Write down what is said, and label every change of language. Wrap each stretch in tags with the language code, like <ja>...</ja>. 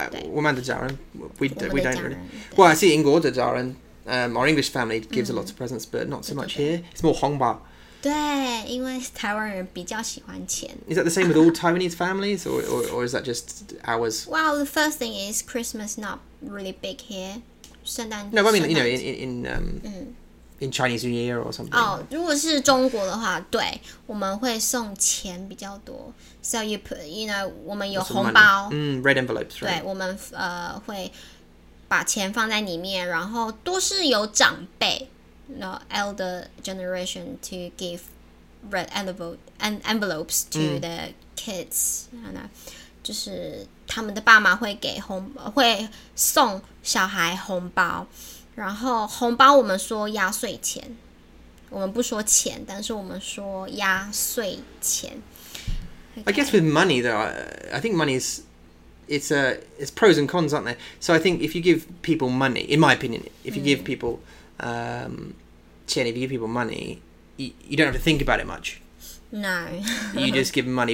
<zh>我们的家人</zh> <en>we don't really well I see</en> <zh>英国的家人</zh> <en>our English family gives、a lot of presents but not so much here it's more 红包</en> <zh>对，因为台湾人比较喜欢钱。</zh> <en>Is that the same with all Taiwanese families, or is that just ours? Well, the first thing is Christmas not really big here.</en> <zh>圣诞</zh> <en>节。No, I mean, you know, in Chinese New Year or something.</en> <zh>Oh, 如果是中国的话，对，我们会送钱比较多。</zh> <en>So you put, you know,</en> <zh>我们有红包。</zh> <en>Red envelopes, right?</en> <zh>对，我们会把钱放在里面，然后都是有长辈。</zh> <en>No, elder generation to give red envelopes to their kids.</en> <zh>You know, 就是他们的爸妈会给红，会送小孩红包。然后红包我们说压岁钱，我们不说钱，但是我们说压岁钱。</zh> <en>Okay. I guess with money, though, I think money is it's pros and cons, aren't they? So I think if you give people money, in my opinion, if you give people if you give people money, you don't have to think about it much. No. You just give them money.</en>